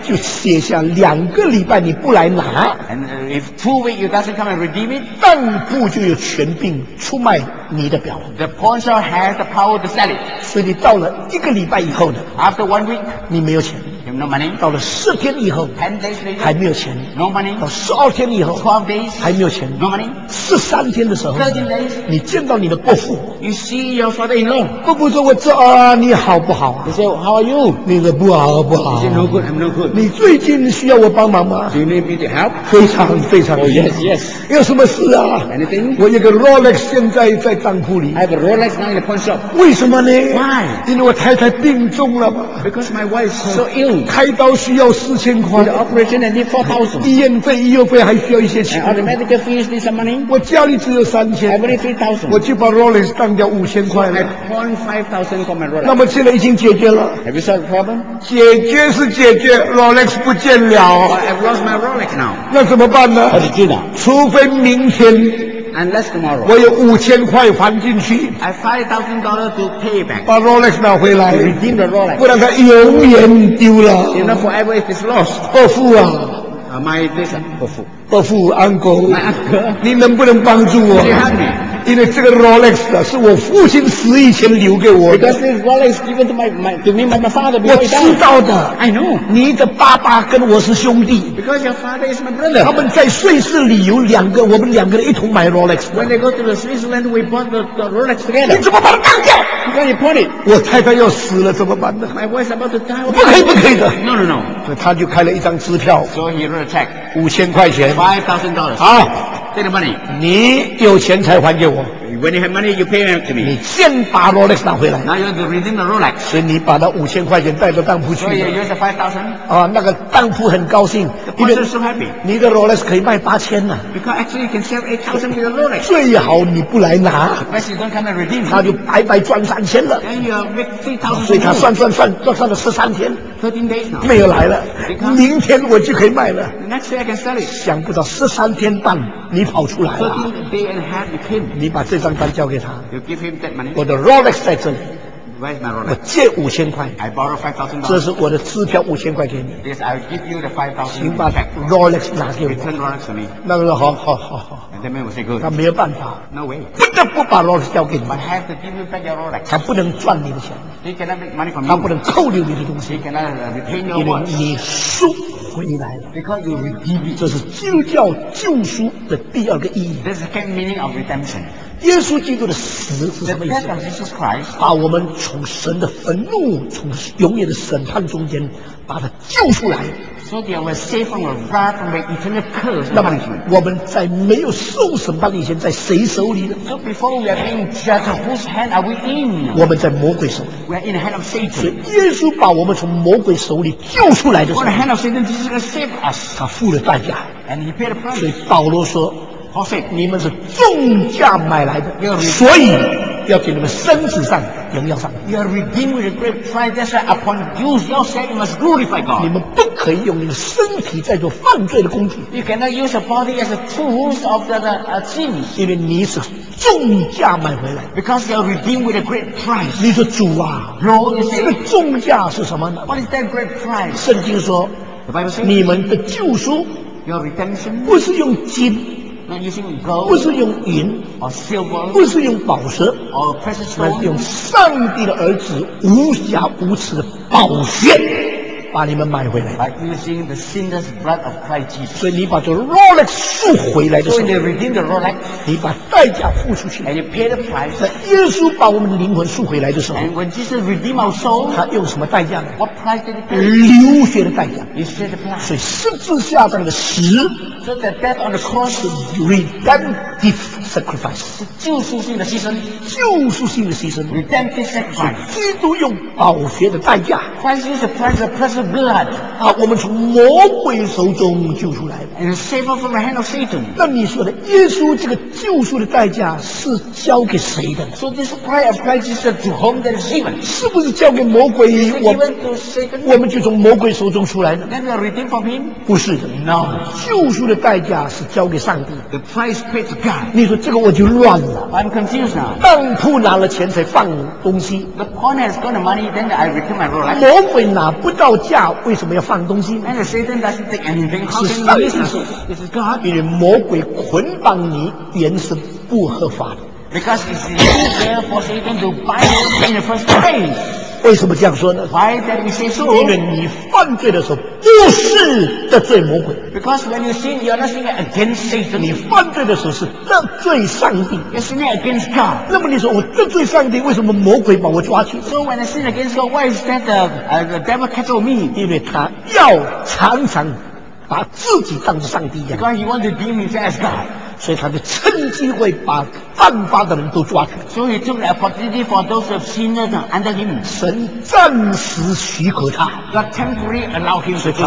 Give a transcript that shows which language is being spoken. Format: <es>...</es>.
<zh>就写下两个礼拜你不来拿</zh> <en>and if 2 weeks you doesn't come and redeem it</en> <zh>当铺就有权柄出卖你的表</zh> <en>the pawn shop has the power to sell it</en> <zh>所以你到了一个礼拜以后呢</zh> <en>After one week,</en> <zh>你没有钱</zh> <en>you have no money.</en> <zh>到了十天以后</zh> <en>10 days later,</en> <zh>还没有钱</zh> <en>no money.</en> <zh>到12天以后</zh> <en>12 days,</en> <zh>还没有钱</zh> <en>no money.</en> <zh>13天的时候</zh> <en>13 days,</en> <zh>你见到你的伯父</zh> <en>you see your father-in-law.</en> <zh>伯父说我这、啊、你好不好、啊、</zh> <en>he said how are you</en> <zh>你说不好不好</zh> <en>he said no good I'm no good</en> <zh>你最近需要我帮忙吗</zh> <en>do you need me to help</en> <zh>非常非常、</zh> <en>oh, yes yes</en> <zh>有什么事啊</zh> <en>anything</en> <zh>我有个 Rolex 现在在当铺里</zh> <en>I have a Rolex now in the pawn shop</en> <zh>为什么</zh> <en>Why?</en> <zh>因为我太太病重了嘛。</zh> <en>Because my wife is so ill.</en> <zh>开刀需要4000块。</zh> <en>The operation I need $4,000.</en> <zh>医院费、医药费还需要一些钱。</zh> <en>And the medical fees need some money.</en> <zh>我家里只有3000。</zh> <en>Every $3,000.</en> <zh>我就把 Rolex 当掉5000块了。</zh> <en>So、I pawn $5,000 for my Rolex.</en> <zh>那么现在已经解决了。</zh> <en>Have you solved the problem?</en> <zh>解决是解决 ，Rolex 不见了。</zh> <en>But I've lost my Rolex now.</en> <zh>那怎么办呢？还得进啊。除非明天。</zh> <en>Unless tomorrow,</en> <zh>我有5000块还进去。</zh> <en>I $5,000 to pay back.</en> <zh>把 Rolex 拿回来。</zh> <en>Redeem the Rolex.</en> <zh>不然它永远丢了。</zh> <en>You know, forever it is lost.</en> <zh>伯父啊。</zh> <en>My this伯父。</en> <zh>伯父 ，uncle。</zh> <en>My uncle.</en> <zh>你能不能帮助我？</zh> <en>Can you help me?</en> <zh>因为这个 Rolex 啊，是我父亲死以前留给我的。</zh> <en>Because this Rolex given to me by my father before he died.</en> <zh>我知道的。</zh> <en>I know.</en> <zh>你的爸爸跟我是兄弟。</zh> <en>Because your father is my brother.</en> <zh>他们在瑞士旅游，两个我们两个人一同买 Rolex。</zh> <en>When they go to the Switzerland, we bought the Rolex together.</en> <zh>你怎么把它当掉？</zh> <en>Because you bought it.</en> <zh>我太太要死了，怎么办呢？</zh> <en>My wife's about to die.</en> <zh>不可以，不可以的。</zh> <en>No, no, no.</en> <zh>所以他就开了一张支票。</zh> <en>So he wrote a check.</en> <zh>5000块钱。</zh> <en>$5,000.</en> <zh>好。</zh> <en>Take the money.</en> <zh>你有钱才还给我。</zh> <en>When you have money, you pay it to me.</en> <zh>你先把 Rolex 拿回来。</zh> <en>Now you have to redeem the Rolex.</en> <zh>所以你把那五千块钱带到当铺去。</zh> <en>So you use the $5,000.</en> <zh>啊，那个当铺很高兴。</zh> <en>The person is so happy.</en> <zh>你的 Rolex 可以卖8000呢。</zh> <en>Because actually you can sell $8,000 to the Rolex.</en> <zh>最好你不来拿。</zh> <en>Because you don't come and redeem.</en> <zh>他就白白赚3000了。</zh> <en>Then you make $3,000.</en> <zh>所以他算了13天。</zh> <en>13 days now.</en> <zh>没有来了。明天我就可以卖了。</zh> <en>Next day I can sell it.</en> <zh>想不到13天半你跑出来了。</zh> <en>13 days and a half you came.</en> <zh>你把这张单交给他。</zh> <en>You give him that money.</en> <zh>我的 Rolex 在这里。</zh> <en>Where's my Rolex?</en> <zh>我借5000块。</zh> <en>I borrow $5,000.</en> <zh>这是我的支票5000块给你。</zh> <en>Yes, I'll give you the $5,000.</en> <zh>请把 Rolex 拿给我。</zh> <en>Return Rolex to me.</en> <zh>那个好好好好。</zh> <en>And that man will say good.</en> <zh>他没有办法。</zh> <en>No way.</en> <zh>不得不把 Rolex 交给你。</zh> <en>But I have to give you back your Rolex.</en> <zh>他不能赚你的钱。</zh> <en>He cannot make money from you.</en> <zh>他不能扣留你的东西。</zh> <en>He cannot retain your watch.</en> <zh>因为你输。回来了</zh> <en>Because you redeem it.</en> <zh>这是基督教救赎的第二个意义</zh> <en>The second meaning of redemption.</en> <zh>耶稣基督的死是什么意思</zh> <en>The death of Jesus Christ.</en> <zh>把我们从神的愤怒从永远的审判中间把它救出来</zh> <en>So they were saved from a wrath from the eternal curse</en> <zh>那么我们在没有受审判以前在谁手里呢</zh> <en>So before we are being judged whose hand are we in</en> <zh>我们在魔鬼手里</zh> <en>We are in the hand of Satan</en> <zh>所以耶稣把我们从魔鬼手里救出来的时候</zh> <en>For the hand of Satan Jesus has saved us</en> <zh>他付了代价</zh> <en>And he paid the price</en> <zh>所以保罗说</zh> <en>Paul said</en> <zh>你们是重价买来的 所以要给你们身子上荣耀上帝。</zh> <en>You are redeemed with a great price. That's why upon you yourself, you must glorify God.</en> <zh>你们不可以用你的身体在做犯罪的工具。</zh> <en>You cannot use your body as a tool of the sins.</en> <zh>因为你是重价买回来。</zh> <en>Because you are redeemed with a great price.</en> <zh>你说主啊</zh> <en>，Lord,</en> <zh>这个重价是什么呢</zh> <en>？What is that great price?</en> <zh>圣经说。</zh> <en>The Bible says,</en> <zh>你们的救赎</zh> <en>your redemption,</en> <zh>不是用金</zh> <en>not using gold,</en> <zh>不是用银</zh> <en>or silver,</en> <zh>不是用宝石</zh> <en>or precious stone,</en> <zh>而是用上帝的儿子无瑕无疵的宝血把你们买回来</zh> <en>by using the sinless blood of Christ Jesus.</en> <zh>所以你把这 Rolex 赎回来的时候</zh> <en>so when they redeem the Rolex,</en> <zh>你把代价付出去</zh> <en>and you pay the price,</en> <zh>在耶稣把我们的灵魂赎回来的时候</zh> <en>and when Jesus redeemed our soul,</en> <zh>他用什么代价呢</zh> <en>what price did he pay?</en> <zh>流血的代价</zh> <en>he shed the blood.</en> <zh>所以十字架上的死</zh> <en>so the death on the cross 是 redemptive sacrifice</en> <zh>是救赎性的牺牲救赎性的牺牲</zh> <en>redemptive sacrifice</en> <zh>基督用宝血的代价</zh> <en>Christ used the price of precious blood</en> <zh>啊，我们从魔鬼手中救出来</zh> <en>and save us from the hand of Satan</en> <zh>那你说的耶稣这个救赎的代价是交给谁的</zh> <en>so this price of Christ is to whom that is given</en> <zh>是不是交给魔鬼</zh> <en>is given to Satan</en> <zh>我们就从魔鬼手中出来的</zh> <en>then we are redeemed from him</en> <zh>不是的</zh> <en>no</en> <zh>救赎的代价是交给上帝</zh> <en>the price paid to God</en> <zh>你说这个我就乱了</zh> <en>I'm confused now</en> <zh>当铺拿了钱才放东西</zh> <en>the pawn has got the money then I return my role</en> <zh>魔鬼拿不到价为什么要放东西呢</zh> <en>and Satan doesn't take anything</en> <zh>是上帝</zh> <en>this is God</en> <zh>因为魔鬼捆绑你原是不合法的</zh> <en>because it's easier for Satan to buy you in the first place</en> <zh>为什么这样说呢</zh> <en>why that we say so</en> <zh>因为你犯罪的时候不是得罪魔鬼</zh> <en>because when you sin you're not sinning against Satan</en> <zh>你犯罪的时候是得罪上帝</zh> <en>you're sinning against God</en> <zh>那么你说我得罪上帝为什么魔鬼把我抓去</zh> <en>so when I sin against God why is that the devil catch me</en> <zh>因为他要常常把自己当作上帝一样</zh> <en>because he want to deem himself as God</en> <zh>所以他就趁机会把犯法的人都抓起来。</zh> <en>So he took the opportunity for those of sinners under him.</en> <zh>神暂时许可他。</zh> <en>God temporarily allowed him to do so.</en>